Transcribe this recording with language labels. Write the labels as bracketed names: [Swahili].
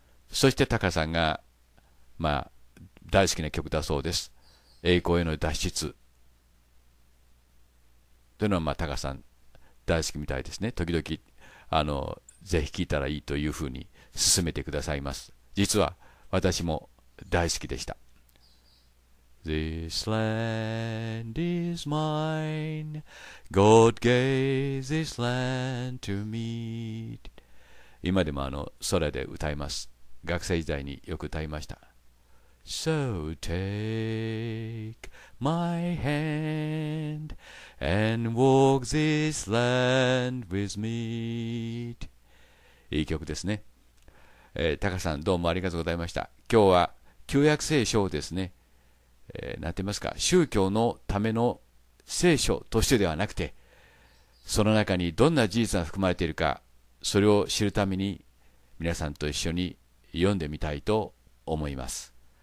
[Japanese] そしてタカさんが、まあ、大好きな曲だそうです。栄光への脱出というのは、まあ、タカさん大好きみたいですね。時々ぜひ聴いたらいいというふうに勧めてくださいます。実は私も大好きでした。 [English] This land is mine God gave this land to me. [Japanese] 今でも空で歌います。学生時代によく歌いました。 [English] So take my handAnd walk this land with me. [Japanese] いい曲ですね。タカさんどうもありがとうございました。今日は旧約聖書をですね、なんて言いますか、宗教のための聖書としてではなくて、その中にどんな事実が含まれているか、それを知るために皆さんと一緒に読んでみたいと思います。